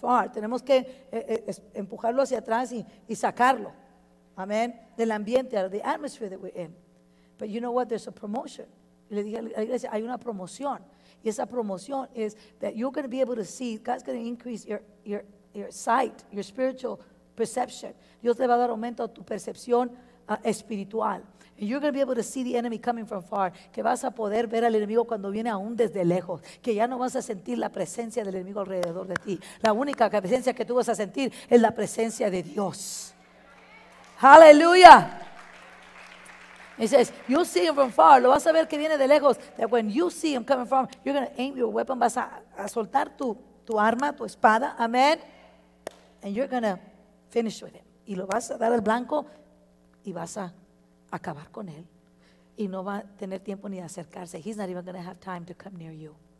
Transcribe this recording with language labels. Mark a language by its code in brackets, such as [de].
[en] Far. [es] Tenemos que empujarlo hacia atrás y sacarlo, amen, del ambiente, [en] out of the atmosphere that we're in. But you know what? There's a promotion. [es] Le dije a la iglesia, hay una promoción, y esa promoción [en] is that you're going to be able to see, God's going to increase your sight, your spiritual perception. [es] Dios te va a dar aumento a tu percepción espiritual. [en] And you're going to be able to see the enemy coming from far. [es] Que vas a poder ver al enemigo cuando viene aún desde lejos. Que ya no vas a sentir la presencia del enemigo alrededor de ti. La única presencia que tú vas a sentir es la presencia de Dios. [en] Hallelujah. He says, you see him from far. [es] Lo vas a ver que viene de lejos. [en] That when you see him coming from, you're going to aim your weapon. [es] Vas a soltar tu arma, tu espada. Amen. [en] And you're going to finish with him. [es] Y lo vas a dar al blanco y vas a acabar con él y no va a tener tiempo ni de acercarse. [en] He's not even going to have time to come near you.